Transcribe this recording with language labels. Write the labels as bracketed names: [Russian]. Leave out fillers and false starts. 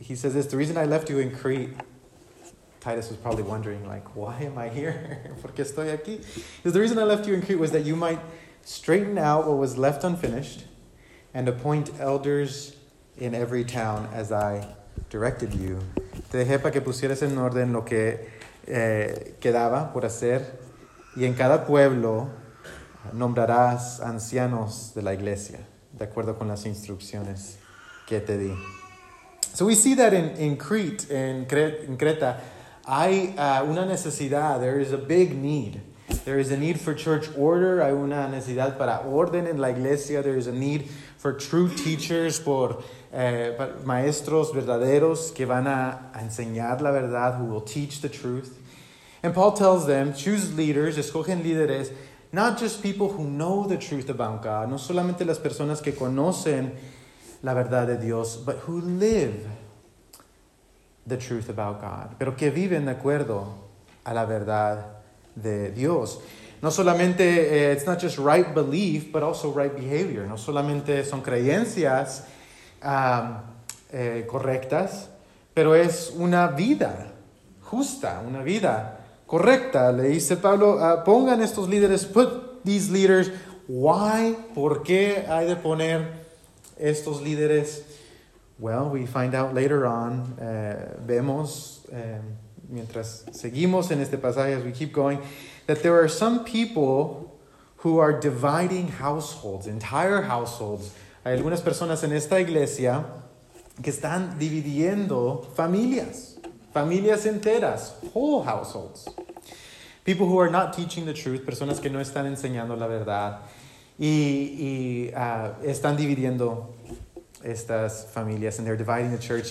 [English] He says this, the reason I left you in Crete, Titus was probably wondering, like, why am I here? [Spanish] ¿Por qué estoy aquí? [English] Because the reason I left you in Crete was that you might straighten out what was left unfinished and appoint elders in every town as I directed you. [Spanish] Te dejé para que pusieras en orden lo que quedaba por hacer. Y en cada pueblo nombrarás ancianos de la iglesia, de acuerdo con las instrucciones que te di. [English] So we see that in Crete, in Creta, [Spanish] hay una necesidad. [English] There is a big need. There is a need for church order. [Spanish] Hay una necesidad para orden en la iglesia. [English] There is a need for true teachers, [Spanish] por maestros verdaderos que van a enseñar la verdad, [English] who will teach the truth. And Paul tells them, choose leaders, [Spanish] escogen líderes, [English] not just people who know the truth about God, [Spanish] no solamente las personas que conocen la verdad de Dios, [English] but who live the truth about God, [Spanish] pero que viven de acuerdo a la verdad de Dios. No solamente, [English] it's not just right belief, but also right behavior. [Spanish] No solamente son creencias correctas, pero es una vida justa, una vida correcta. Le dice Pablo, pongan estos líderes, [English] put these leaders. Why? [Spanish] ¿Por qué hay de poner estos líderes? [English] Well, we find out later on, [Spanish] vemos, mientras seguimos en este pasaje, [English] as we keep going, that there are some people who are dividing households, entire households. [Spanish] Hay algunas personas en esta iglesia que están dividiendo familias, familias enteras, [English] whole households. People who are not teaching the truth, [Spanish] personas que no están enseñando la verdad, y están dividiendo estas familias, [English] and they're dividing the church.